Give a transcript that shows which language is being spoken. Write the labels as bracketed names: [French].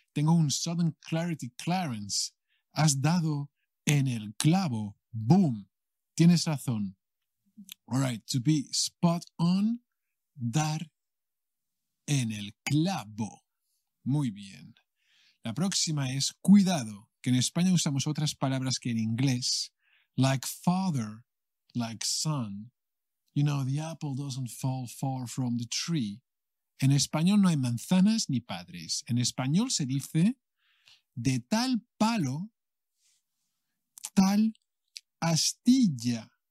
[Spanish] Tengo un [English] sudden clarity, Clarence. [Spanish] Has dado en el clavo. Boom. Tienes razón. [English] All right. To be spot on. [Spanish] Dar en el clavo. Muy bien. La próxima es cuidado. Que en España usamos otras palabras que en inglés. [English] Like father, like son. You know, the apple doesn't fall far from the tree. [Spanish] En español no hay manzanas ni padres. En español se dice de tal palo, tal astilla.